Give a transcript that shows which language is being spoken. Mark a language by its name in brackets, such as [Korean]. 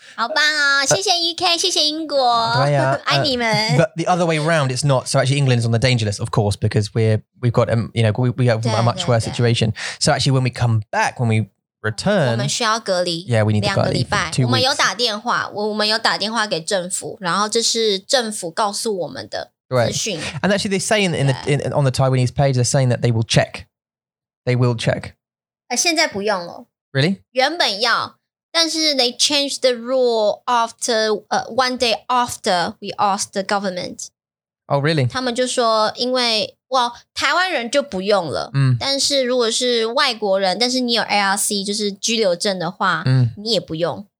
[Chinese] 好棒哦, 谢谢UK, 谢谢英国. 对啊, 爱你们. [English] But the other way around, it's not. So actually, England's on the danger list, of course, because we have a much worse situation. So actually, when we come back, when we return, [Chinese] 我们需要隔离, [English] yeah, we need to go 2 weeks. [Chinese] 我们有打电话, 我们有打电话给政府, 然后这是政府告诉我们的资讯。 [English] Right. And actually they say on the Taiwanese page, they're saying that they will check. [Chinese] 现在不用了。 [English] Really? [Chinese] 原本要, 但是 [English] they changed the rule after, one day after we asked the government. Oh, really? [Chinese] 他们就说, 因为, Well, 台湾人就不用了, 但是如果是外国人, 但是你有 ARC, 就是居留证的话, 你也不用。